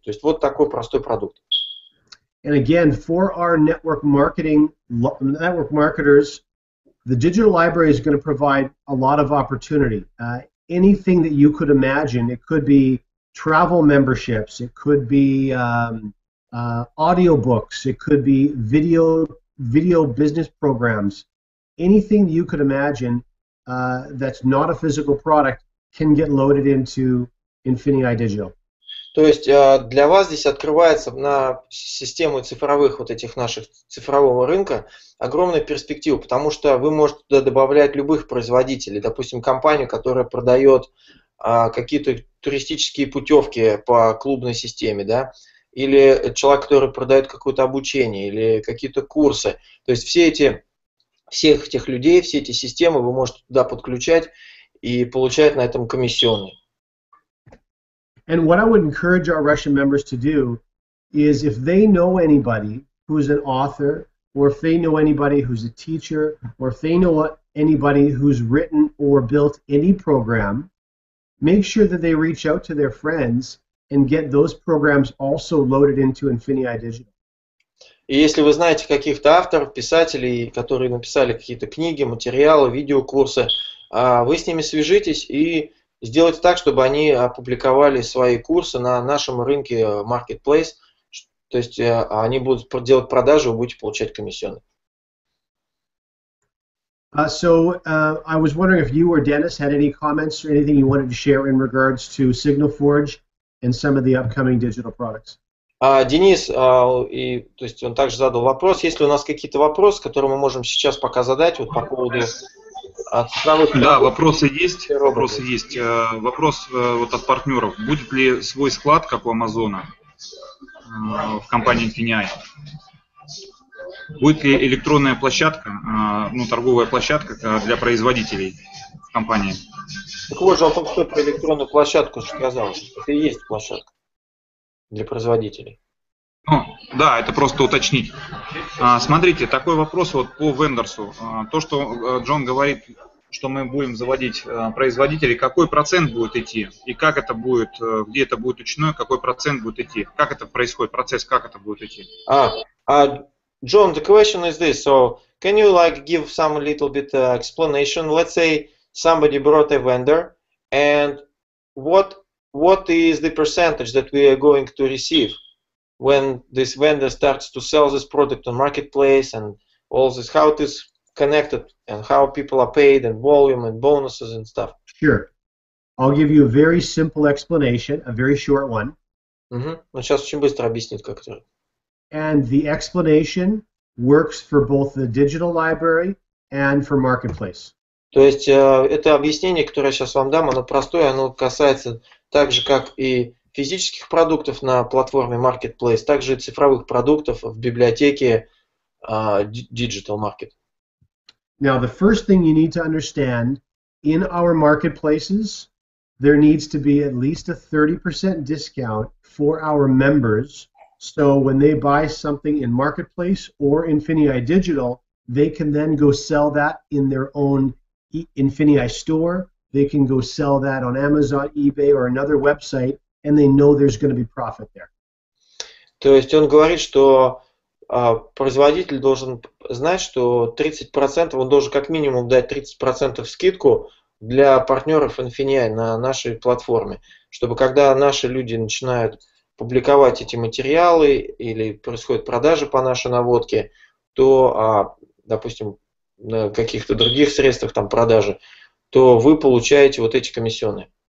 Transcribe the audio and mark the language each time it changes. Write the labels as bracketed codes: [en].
[ru] То есть вот такой простой продукт. [en] And again, for our network marketing, network marketers, the digital library is going to provide a lot of opportunity. Anything that you could imagine, it could be travel memberships, it could be audiobooks, it could be video business programs. Anything that you could imagine that's not a physical product can get loaded into Infinity Digital. [ru] То есть для вас здесь открывается на систему цифровых вот этих наших цифрового рынка огромная перспектива, потому что вы можете туда добавлять любых производителей, допустим, компанию, которая продает какие-то туристические путевки по клубной системе, да, или человек, который продает какое-то обучение, или какие-то курсы. То есть всех этих людей, все эти системы вы можете туда подключать и получать на этом комиссионные. [en] And what I would encourage our Russian members to do is if they know anybody who's an author, or if they know anybody who's a teacher, or if they know anybody who's written or built any program, make sure that they reach out to their friends and get those programs also loaded into Infinity Digital. [ru] И если вы знаете каких-то авторов, писателей, которые написали какие-то книги, материалы, видеокурсы, вы с ними свяжитесь и сделайте так, чтобы они опубликовали свои курсы на нашем рынке Marketplace. То есть они будут делать продажи, вы будете получать комиссионные. [en] I was wondering if you or Dennis had any comments or anything you wanted to share in regards to SignalForge and some of the upcoming digital products. [ru] Денис, то есть он также задал вопрос, есть ли у нас какие-то вопросы, которые мы можем сейчас пока задать вот по поводу... Да, вопросы есть. Вопрос вот от партнеров. Будет ли свой склад, как у Амазона, в компании Infinity? Будет ли электронная площадка, ну, торговая площадка для производителей в компании? Так вот же, он только что про электронную площадку сказал. Это и есть площадка для производителей. Ну, да, это просто уточнить. Смотрите, такой вопрос вот по вендорсу. То, что Джон говорит, что мы будем заводить производителей, какой процент будет идти, и как это будет, где это будет учтено, какой процент будет идти, как это происходит, процесс, как это будет идти? [en] Джон, the question is this. So, can you like give some little bit explanation? Let's say somebody brought a vendor, and what is the percentage that we are going to receive? When this vendor starts to sell this product on marketplace and all this, how it is connected and how people are paid and volume and bonuses and stuff. Sure. I'll give you a very simple explanation, a very short one. Mm-hmm. [ru] Он сейчас очень быстро объяснит, как это. [en] And the explanation works for both the digital library and for marketplace. [ru] То есть это объяснение, которое я сейчас вам дам, оно простое, оно касается так же, как и физических продуктов на платформе Marketplace, также и цифровых продуктов в библиотеке Digital Market. [en] Now, the first thing you need to understand, in our marketplaces, there needs to be at least a 30% discount for our members, so when they buy something in Marketplace or Infinity Digital, they can then go sell that in their own Infinity store, they can go sell that on Amazon, eBay, or another website, and they know there's going to be profit there. [ru] То есть он говорит, что производитель должен знать, что 30%, он должен как минимум дать 30% скидку для партнеров Infinity на нашей платформе, чтобы когда наши люди начинают публиковать эти материалы или происходят продажи по нашей наводке, то, допустим, на каких-то других средствах там продажи, то вы получаете вот эти комиссионные.